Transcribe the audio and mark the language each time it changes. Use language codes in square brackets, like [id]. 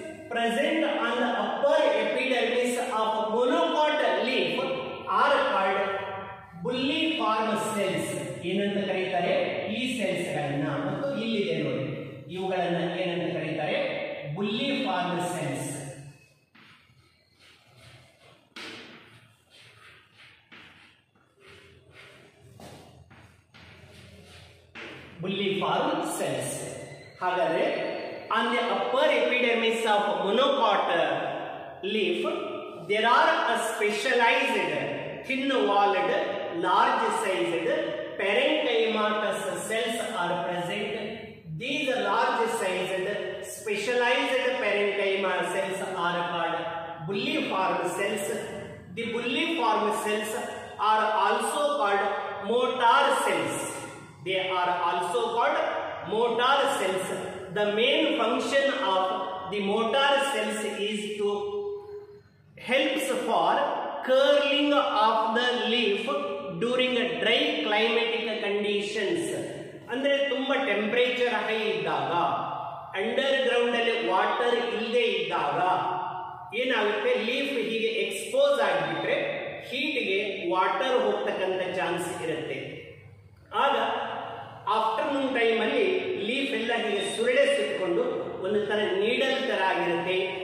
[en] present on the upper epidermis of monocot leaf are called bully form cells. [kn] ಏನಂತ ಕರೀತಾರೆ ಈ cells ಗಳನ್ನ ಮತ್ತು ಇಲ್ಲಿದೆ ನೋಡಿ ಇವುಗಳನ್ನ ಏನಂತ ಕರೀತಾರೆ ಬುಲ್ಲಿ ಫಾರ್ಮ್ ಸೆಲ್ಸ್ [en] bulliform cells [kn] ಹಾಗಾದ್ರೆ [en] On the upper epidermis of monocot leaf there are a specialized thin walled large sized parenchymatous cells are present. These large sized specialized parenchyma cells are called bulliform cells. The bulliform cells are also called motor cells. They are also called motor cells. The main function of the motor cells is to helps for curling of the leaf during dry climatic conditions. [kn] ಅಂದ್ರೆ ತುಂಬಾ temperature high ಇದ್ದಾಗ under ground ಅಲ್ಲಿ water ಇಲ್ಲದೆ ಇದ್ದಾಗ ಏನಾಗುತ್ತೆ leaf ಹೀಗೆ expose ಆಗಿಬಿಟ್ರೆ ಹೀಟ್ಗೆ water ಹೋಗ್ತಕ್ಕಂಥ ಚಾನ್ಸ್ ಇರುತ್ತೆ. ಆಗ ಆಫ್ಟರ್ನೂನ್ ಟೈಮ್ ಅಲ್ಲಿ ಲೀಫ್ ಎಲ್ಲ ಹೀಗೆ ಸುರಡೆ ಸುತ್ತಕೊಂಡು ಒಂದು ತರ ನೀಡಲ್ ತರ ಆಗಿರುತ್ತೆ.